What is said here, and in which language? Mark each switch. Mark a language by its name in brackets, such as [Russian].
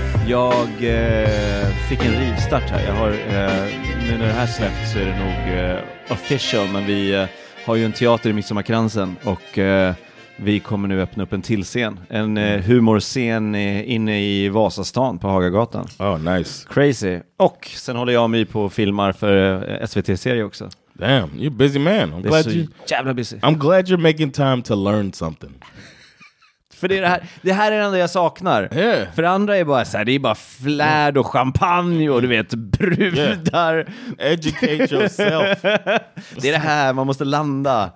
[Swedish] Jag fick en rivstart här. Jag har, nu när det här släppt så är det nog official, men vi har ju en teater i Midsommarkransen och vi kommer nu öppna upp en till scen. En humorscen inne i Vasastan på Hagagatan. [English] Oh, nice. Crazy. [Swedish] Och sen håller jag mig på filmar för SVT-serie också. [English] Damn, you're a busy man. I'm glad you... [Swedish] jävla busy. [English] I'm glad you're making time to learn something. [Swedish] För det här är det enda jag saknar. [English] Yeah. [Swedish] För andra är bara så här, det är bara flärd och champagne och du vet, brudar. [English] Yeah. Educate yourself. [Swedish] Det är det här, man måste landa.